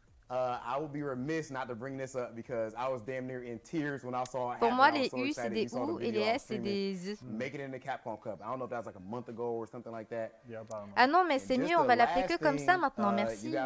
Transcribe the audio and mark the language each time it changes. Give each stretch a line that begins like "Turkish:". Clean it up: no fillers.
English: I would be remiss not to bring this up because I was damn near in tears when I saw it.
French: Pour moi, les U, c'est des OU et les S, c'est des U.
English: Make it in the Capcom Cup. I don't know if that was like a month ago or something like that.
French: Ah non, mais c'est mieux, on va l'appeler que comme ça maintenant, merci.